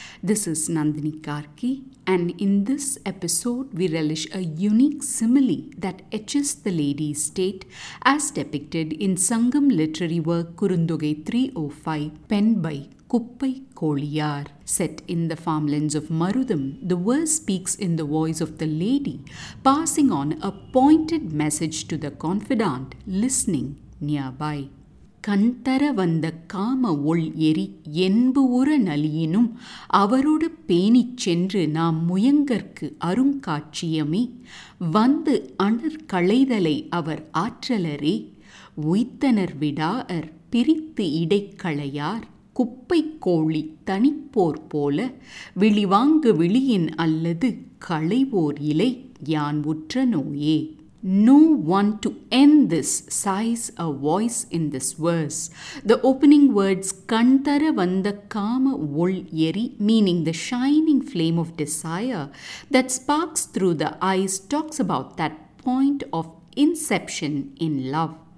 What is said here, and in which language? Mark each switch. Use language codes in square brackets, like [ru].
[en] This is Nandini Karki, and in this episode we relish a unique simile that etches the lady's state as depicted in Sangam literary work Kurundogai 305 penned by Kuppai Koliyar. Set in the farmlands of Marudam, the verse speaks in the voice of the lady, passing on a pointed message to the confidant listening nearby. [ta] கண்தர வந்த காம ஒள் எரி என்பு உற நலியினும் அவரோடு பேணி சென்று நாம் முயங்கற்கு அருங்காட்சியமே வந்து அணர் களைதலை அவர் ஆற்றலரே உய்த்தனர் விடாஅர் பிரித்து இடைக்களையார் குப்பை கோழி தனிப்போர் போல விழிவாங்கு விழியின் அல்லது களைவோர் இலை யான் உற்ற நோயே. [en] No one to end this, sighs a voice in this verse. The opening words, [ta] Kantara Vanda Kama Ol Yeri, [en] meaning the shining flame of desire that sparks through the eyes, talks about that point of inception in love.